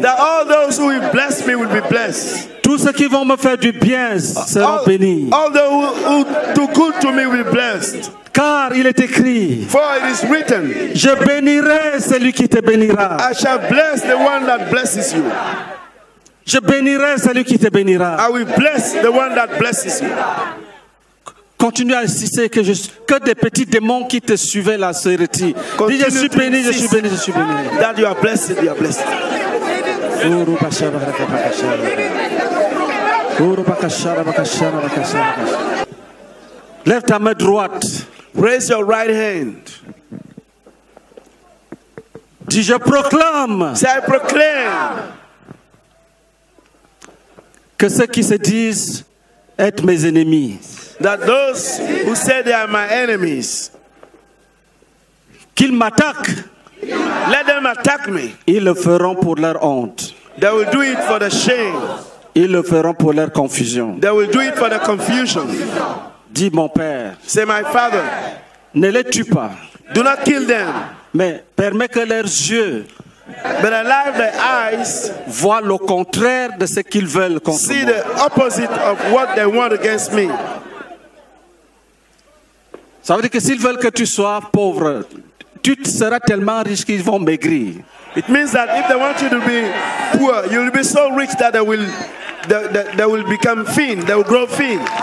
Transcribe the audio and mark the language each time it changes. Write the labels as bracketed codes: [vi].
[en] That all those who will bless me will be blessed. [fr] Tous ceux qui vont me faire du bien seront bénis. [en] All those who do good to me will be blessed. [fr] Car il est écrit, [en] for it is written, [fr] je bénirai celui qui te bénira. [en] I shall bless the one that blesses you. [fr] Je bénirai celui qui te bénira. [en] I will bless the one that blesses you. [fr] Continue à insister que je, que des petits démons qui te suivaient là se retirent. Dis, je suis béni, je suis béni, je suis béni. [en] That you are blessed, you are blessed. Ouro bashara baka baka shara. Ouro baka shara baka shara baka shara. [fr] Lève ta main droite. [en] Raise your right hand. [fr] Dis, je proclame. [en] Say, I proclaim. [fr] Que ceux qui se disent être mes ennemis. [en] That those who say they are my enemies. [fr] Qu'ils m'attaquent. [en] Let them attack me. [fr] Ils le feront pour leur honte. [en] They will do it for the shame. [fr] Ils le feront pour leur confusion. [en] They will do it for the confusion. [fr] Dis mon père. [en] Say my father. [fr] Ne les tue pas. [en] Do not kill them. [fr] Mais permets que leurs yeux. [en] But allow their eyes [fr] voient le contraire de ce qu'ils veulent contre [en] see [fr] moi. [en] See the opposite of what they want against me. [fr] Ça veut dire que s'ils veulent que tu sois pauvre, tu seras tellement riche qu'ils vont maigrir. [en] It means that if they want you to be poor, you will be so rich that they will become thin, they will grow thin.